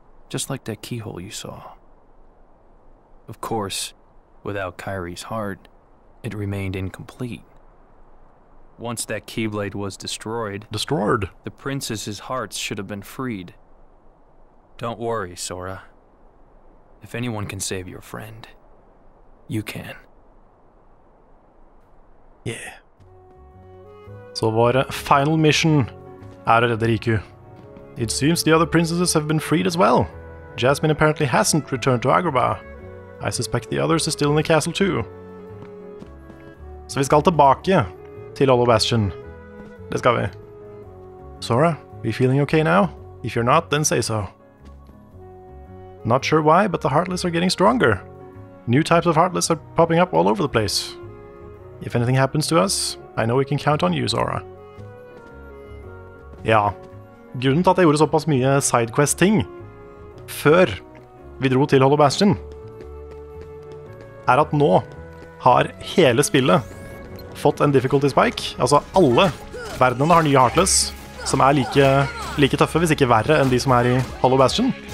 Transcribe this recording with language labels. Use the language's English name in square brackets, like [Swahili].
[English] Just like that keyhole you saw. Of course, without Kairi's heart, it remained incomplete. Once that Keyblade was destroyed... destroyed? The princess's hearts should have been freed. Don't worry, Sora. If anyone can save your friend, you can. Yeah. [Norwegian] Så vår [English] final mission [Norwegian] er å redde Riku. [English] It seems the other princesses have been freed as well. Jasmine apparently hasn't returned to Agrabah. I suspect the others are still in the castle too. [Norwegian] Så vi skal tilbake til Hollow Bastion. Det skal vi. [English] Sora, are you feeling okay now? If you're not, then say so. Not sure why, but the Heartless are getting stronger. New types of Heartless are popping up all over the place. If anything happens to us, I know we can count on you, Sora. [Norwegian] Ja, grunnen til at jeg gjorde såpass mye sidequest-ting før vi dro til Hollow Bastion, er at nå har hele spillet fått en difficulty spike. Altså, alle verdenene har nye Heartless, som er like tøffe, hvis ikke verre, enn de som er i Hollow Bastion.